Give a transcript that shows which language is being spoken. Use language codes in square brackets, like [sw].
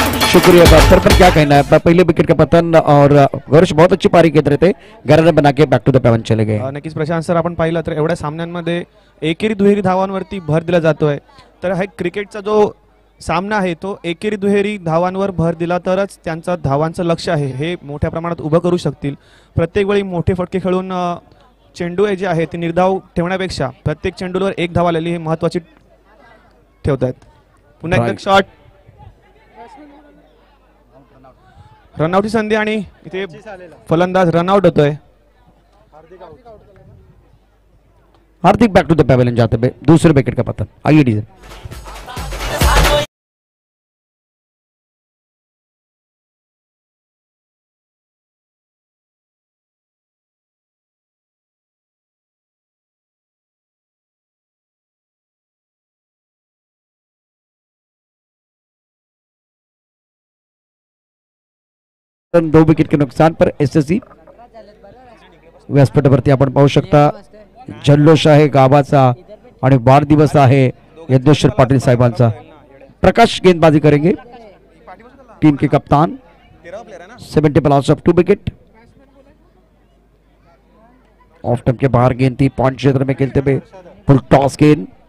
[hi] शुक्रिया सर, पर क्या कहना है, पहले विकेट का पतन और गौरेश बहुत अच्छी पारी खेल रहे थे, 11 रन बना के [en] back to the pavilion [hi] चले गए। [mr] नकीस प्रशांत सर, आपण पाहिलं तर एवढ्या सामन्यांमध्ये एकेरी दुहेरी धावांवरती भर दिला जातोय, तर हा क्रिकेटचा जो सामना आहे तो एकेरी दुहेरी धावांवर भर दिला तरच त्यांचा धावांचं लक्ष आहे हे मोठ्या प्रमाणात उभं करू शकतील। प्रत्येक वेळी मोठे फटके खेळून चेंडू जे आहे ते निर्धाव ठेवण्यापेक्षा प्रत्येक चेंडूवर एक धाव आलेली हे महत्त्वाची ठेवतात। पुन्हा एक शॉट, रनआउट ही संधी आणि इथे फलंदाज रनआउट होतोय, [hi] हार्दिक [en] back to the pavilion [hi] जाते हैं, दूसरे विकेट का पतन। आइए डीजे दो विकेट के नुकसान पर एसएससी [mr] व्यासपीठावरती आपण पाहू शकता, जल्लोष आहे गावाचा आणि वाढदिवस आहे यज्ञेश्वर पाटील साहेबांचा। [hi] प्रकाश गेंदबाजी करेंगे, टीम के कप्तान, 70 plus of 2 wicket, of term के बाहर गेंद थी, पॉइंट क्षेत्र में खेलते हुए फुल टॉस गेंद,